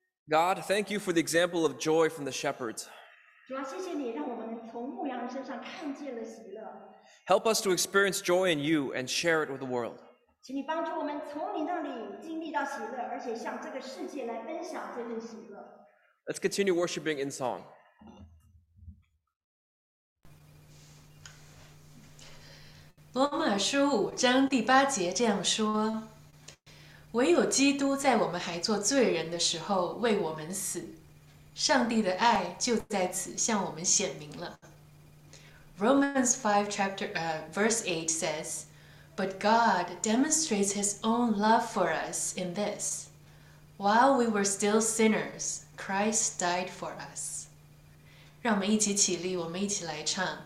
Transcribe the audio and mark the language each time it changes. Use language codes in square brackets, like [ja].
[en] God, thank you for the example of joy from the shepherds. [zh] 主啊，谢谢你让我们从牧羊人身上看见了喜乐。 [en] Help us to experience joy in you and share it with the world. [zh] 请你帮助我们从你那里经历到喜乐，而且向这个世界来分享这份喜乐。 [en] Let's continue worshiping in song. [zh] 罗马书五章第八节这样说：唯有基督在我们还做罪人的时候为我们死，上帝的爱就在此向我们显明了。 [en] Romans 5 chapter, verse 8 says, But God demonstrates his own love for us in this. While we were still sinners, Christ died for us. [zh] 让我们一起起立，我们一起来唱。